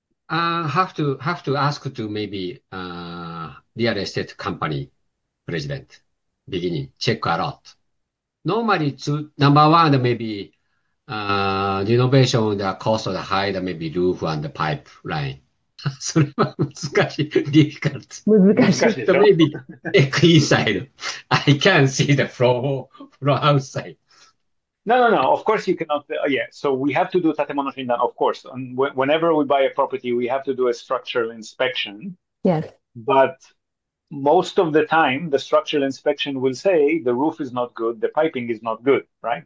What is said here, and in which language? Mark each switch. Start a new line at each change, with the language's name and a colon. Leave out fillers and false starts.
English: Have to ask to maybe real estate company president. Beginning, check a lot. Normally, number one, maybe renovation, the cost of the height, maybe roof and the pipe line.
Japanese: それは難しい、difficult. 難しいでしょ。
English: Maybe check inside. I can't see the floor from outside. No. Of course, you cannot. Yeah. So we have to do tatemono shindan, of course. And whenever we buy a property, we have to do a structural inspection. Yes. But most of the time, the structural inspection will say the roof is not good, the piping is not good, right?